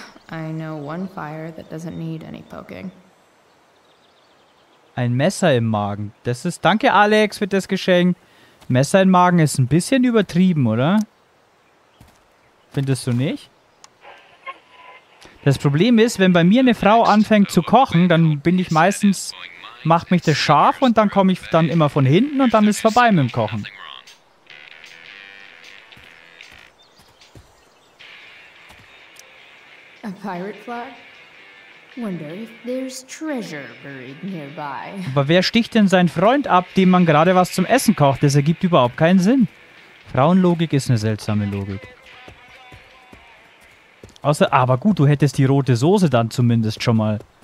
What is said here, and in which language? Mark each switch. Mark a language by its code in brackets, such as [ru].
[en] I know one fire that doesn't need any poking. [de] Ein Messer im Magen. Das ist. Danke, Alex, für das Geschenk. Messer im Magen ist ein bisschen übertrieben, oder? Findest du nicht? Das Problem ist, wenn bei mir eine Frau anfängt zu kochen, dann bin ich meistens. Macht mich das scharf und dann komme ich dann immer von hinten und dann ist vorbei mit dem Kochen. [en] A pirate flag? Wonder if there's treasure buried nearby. [de] Aber wer sticht denn seinen Freund ab, dem man gerade was zum Essen kocht? Das ergibt überhaupt keinen Sinn. Frauenlogik ist eine seltsame Logik. Außer, aber gut, du hättest die rote Soße dann zumindest schon mal.